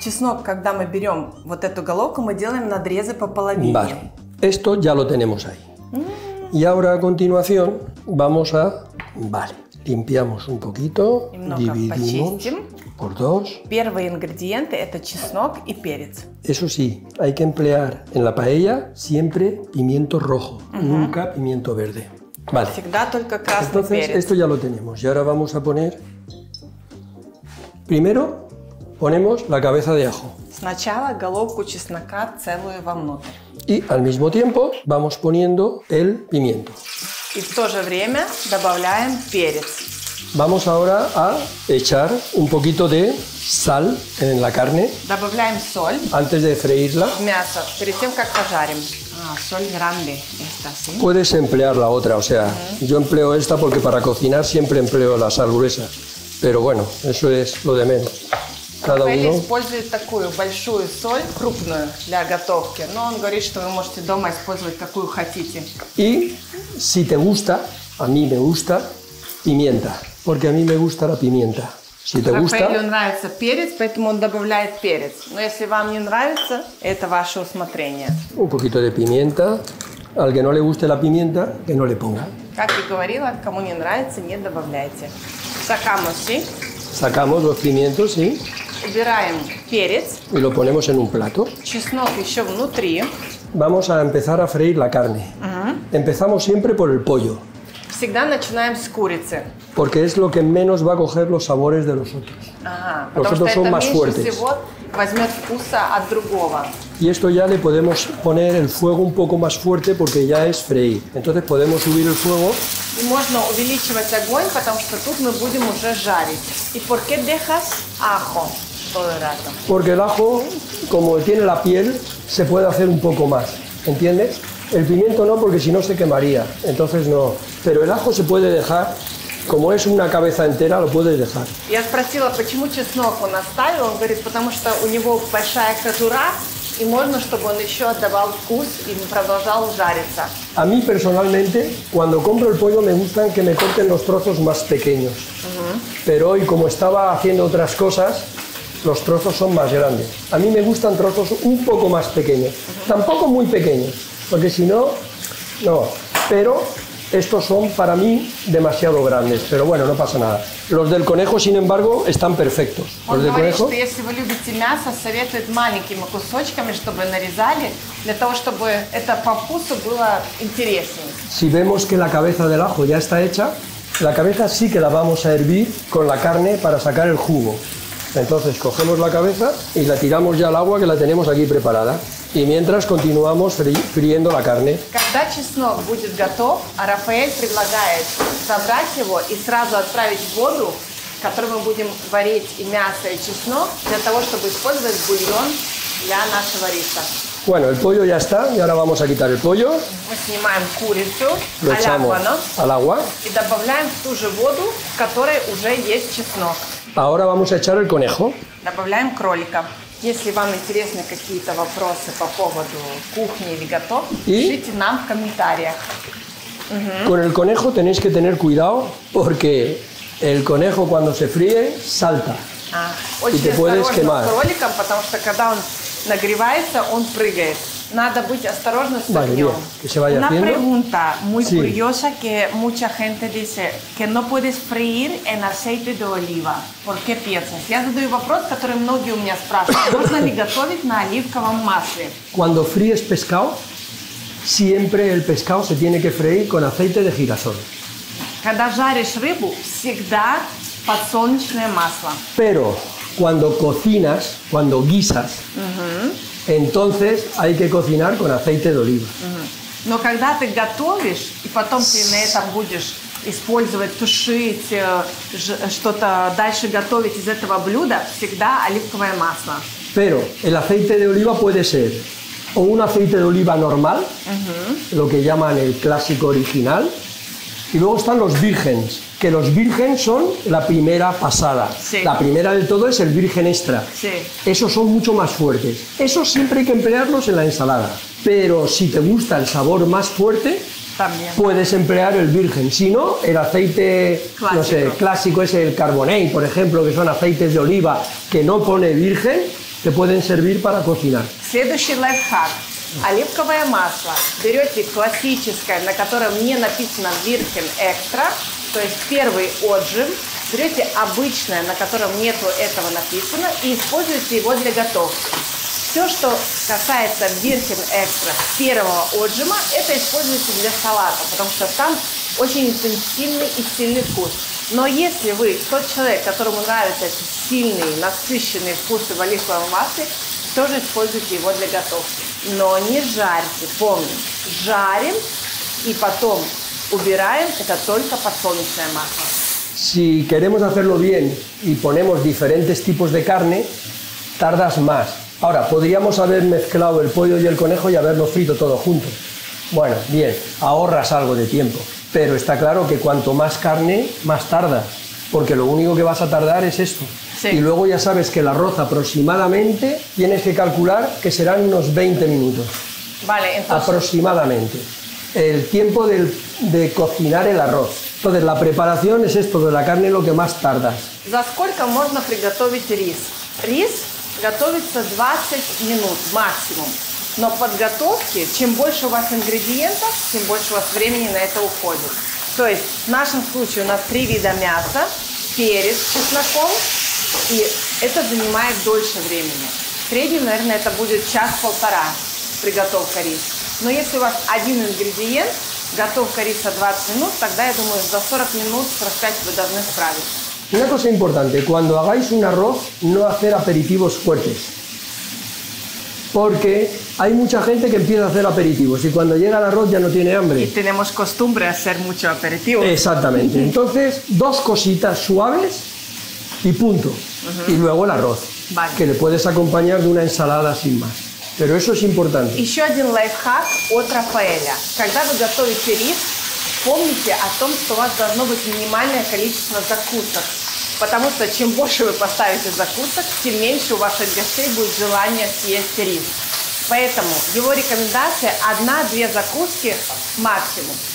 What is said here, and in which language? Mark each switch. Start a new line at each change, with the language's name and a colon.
Russian: Чеснок, когда мы берем вот эту головку, мы делаем надрезы по половине.
Spanish: Vale. Esto ya lo tenemos ahí. Y ahora a continuación vamos a... Vale, limpiamos un poquito, dividimos por dos.
Russian: Первый ингредиент – это чеснок и перец.
Spanish: Eso sí, hay que emplear en la paella siempre pimiento rojo, nunca pimiento verde. Vale.
Russian: Всегда только красный
Spanish: Entonces,
Russian: перец.
Spanish: Entonces, esto ya lo tenemos. Y ahora vamos a poner... Primero ponemos la cabeza de ajo.
Russian: Сначала головку чеснока целую вовнутрь.
Spanish: Y al mismo tiempo vamos poniendo el pimiento.
Russian: Y в то же время добавляем перец.
Spanish: Vamos ahora a echar un poquito de sal en la carne.
Russian: Добавляем соль.
Spanish: Antes de freírla.
Russian: Мясо, перед тем как пожарим.
Spanish: Соль grande esta, ¿sí? Puedes emplear la otra, o sea, yo empleo esta porque para cocinar siempre empleo la sal gruesa. Pero bueno, eso es lo de menos. Cada uno.
Russian: Использует такую большую соль крупную для готовки, но он говорит, что вы можете дома использовать какую хотите.
Spanish: Y si te gusta, a mí me gusta pimienta, porque a mí me gusta la pimienta. Si te gusta.
Russian: Рафаэлю нравится перец, поэтому он добавляет перец. Но если вам не нравится, это ваше усмотрение.
Spanish: Un poquito de pimienta. Al que no le guste la pimienta, que no le ponga.
Russian: Как я говорила, кому не нравится, не добавляйте.
Spanish: Sacamos, ¿sí? Sacamos los pimientos, ¿sí?
Russian: Убираем перец.
Spanish: Y lo ponemos en un plato.
Russian: Чеснок еще внутри.
Spanish: Vamos a empezar a freír la carne. Empezamos siempre por el pollo.
Russian: Всегда начинаем с курицы.
Spanish: Porque es lo que menos va a coger los sabores de los otros. Los otros son más fuertes.
Russian: Возьмет вкуса от другого.
Spanish: Y esto ya le podemos poner el fuego un poco más fuerte porque ya es freír. Entonces podemos subir el fuego.
Russian: Y можно увеличивать огонь, потому что тут мы будем уже жарить.
Spanish: ¿Y por qué dejas ajo todo el rato? Porque el ajo, como tiene la piel, se puede hacer un poco más. ¿Entiendes? El pimiento no, porque si no se quemaría. Entonces no. Pero el ajo se puede dejar. Como es una cabeza entera, lo puedes dejar.
Russian: Я спросила, почему чеснок он оставил. Он говорит, потому что у него большая кожура, и можно, чтобы он еще отдавал вкус и продолжал жариться.
Spanish: A mí personalmente, cuando compro el pollo, me gustan que me corten los trozos más pequeños. Pero hoy, como estaba haciendo otras cosas, los trozos son más grandes. A mí me gustan trozos un poco más pequeños. Tampoco muy pequeños, porque si no, no. Pero... Estos son, para mí, demasiado grandes, pero bueno, no pasa nada. Los del conejo, sin embargo, están perfectos.
Russian: Он говорит, conejo... что если вы любите мясо, советует маленькими кусочками, чтобы нарезали, для того, чтобы это по вкусу было интереснее.
Spanish: Si vemos que la cabeza del ajo ya está hecha, la cabeza sí que la vamos a hervir con la carne para sacar el jugo. Entonces, cogemos la cabeza y la tiramos ya al agua que la tenemos aquí preparada. Y mientras continuamos friendo la carne.
Russian: Когда чеснок будет готов, Рафаэль предлагает собрать его и сразу отправить в воду, в которой мы будем варить и мясо, и чеснок, для того, чтобы использовать бульон для нашего риса.
Spanish: Bueno, el pollo ya está, y ahora vamos a quitar el pollo.
Russian: Мы снимаем курицу,
Spanish: Lo echamos al agua, ¿no? Al agua.
Russian: И добавляем в ту же воду, в которой уже есть чеснок.
Spanish: Ahora vamos a echar el conejo.
Russian: Добавляем кролика. Если вам интересны какие-то вопросы по поводу кухни или готовки, пишите нам в комментариях.
Spanish: Con el conejo tenéis que tener cuidado, porque el conejo cuando se fríe salta. Y te puedes quemar.
Russian: Очень осторожно с кроликом, потому что когда он нагревается, он прыгает. Надо быть осторожным с огнем.
Spanish: Una pregunta muy curiosa que mucha gente dice que no puedes freír en aceite de oliva. ¿Por qué piensas?
Russian: Я задаю вопрос, который многие у меня спрашивают. ¿Можно ли готовить на оливковом масле?
Spanish: Cuando fríes pescado, siempre el pescado se tiene que freír con aceite de girasol.
Russian: Когда жаришь рыбу, всегда подсолнечное масло.
Spanish: Pero cuando cocinas, cuando guisas, entonces hay que cocinar con aceite de oliva.
Russian: Но когда ты готовишь, и потом ты на этом будешь использовать, тушить, что-то дальше готовить из этого блюда, всегда оливковое масло.
Spanish: Pero el aceite de oliva puede ser o un aceite de oliva normal, lo que llaman el clásico original, y luego están los vírgenes. Que los virgen son la primera pasada. Sí. La primera de todo es el virgen extra. Sí. Esos son mucho más fuertes. Esos siempre hay que emplearlos en la ensalada. Pero si te gusta el sabor más fuerte, también. Puedes emplear el virgen, si no, el aceite clásico. No sé, clásico es el carbonate, por ejemplo, que son aceites de oliva que no pone virgen, te pueden servir para cocinar.
Russian: Следующий лайфхак. Оливковое масло. Берете классическое, на котором не написано virgin extra, то есть первый отжим. Берете обычное, на котором нету этого написано, и используете его для готовки. Все, что касается virgin extra первого отжима, это используется для салата, потому что там очень интенсивный и сильный вкус. Но если вы тот человек, которому нравятся сильные, насыщенные вкусы в оливковом масле, тоже используйте его для готовки. Но не жарьте, помним, жарим и потом убираем, это только подсолнечное масло.
Spanish: Si queremos hacerlo bien y ponemos diferentes tipos de carne, tardas más. Ahora, podríamos haber mezclado el pollo y el conejo y haberlo frito todo junto. Bueno, bien, ahorras algo de tiempo. Pero está claro que cuanto más carne, más tardas. Porque lo único que vas a tardar es esto. Sí. Y luego ya sabes que el arroz aproximadamente, tienes que calcular que serán unos 20 minutos. Vale, entonces... Aproximadamente. El tiempo de cocinar el arroz. Entonces, la preparación es esto, de la carne lo que más tardas.
Russian: ¿За сколько можно приготовить рис? Рис готовится 20 минут максимум. Но подготовки, чем больше у вас ингредиентов, тем больше у вас времени на это уходит. То есть, в нашем случае у нас три вида мяса, перец с чесноком, и это занимает дольше времени. В среднем, наверное, это будет час-полтора приготовка риса. Но если у вас один ингредиент, готовка риса 20 минут, тогда, я думаю, за 40 минут, 45 вы должны справиться.
Spanish: Una cosa importante, cuando hagáis un arroz, no hacer aperitivos fuertes. Porque hay mucha gente que empieza a hacer aperitivos y cuando llega el arroz ya no tiene hambre. Y tenemos costumbre a hacer mucho aperitivo. Exactamente. Entonces, dos cositas suaves y punto. Uh-huh. Y luego el arroz, vale. Que le puedes acompañar de una ensalada sin más. Pero eso es importante.
Russian: Еще один лайфхак от Рафаэля. Когда вы готовите рис, помните о том, что у вас должно быть минимальное количество закусок. Потому что чем больше вы поставите закусок, тем меньше у ваших гостей будет желание съесть рис. Поэтому его рекомендация – 1-2 закуски максимум.